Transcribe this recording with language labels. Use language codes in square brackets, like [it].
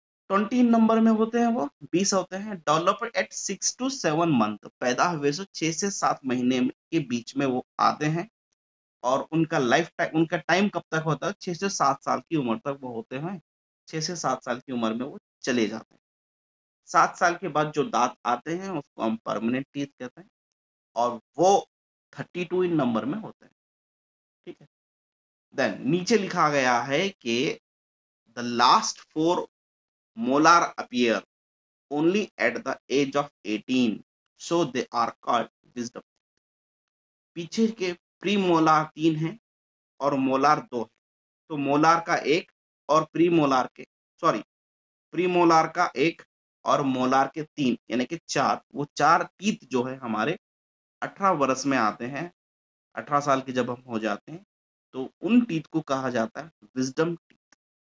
[hi] 20 number में होते हैं वो, 20 होते हैं, [en] develop at 6 to 7 month, [hi] पैदा हुए से 6 से 7 महीने के बीच में वो आते हैं, और उनका लाइफ टाइम, उनका टाइम कब तक होता है, 6 से 7 साल की उम्र तक वो होते हैं, 6 से 7 साल की उम्र में वो चले जाते हैं। 7 साल के बाद जो दांत आते हैं उसको हम परमानेंट टीथ कहते हैं, और वो 32 इन नंबर में होते हैं, ठीक है। [en] then [hi] नीचे लिखा गया है कि [en] The last 4 molar appear only at the age of 18, so they are called wisdom। [hi] पीछे के premolar 3 हैं और molar 2 है, तो molar का एक और premolar के, sorry, premolar का एक और molar के 3, यानी कि 4, वो 4 teeth जो है हमारे 18 वर्ष में आते हैं, 18 साल के जब हम हो जाते हैं, तो उन teeth को कहा जाता है wisdom teeth।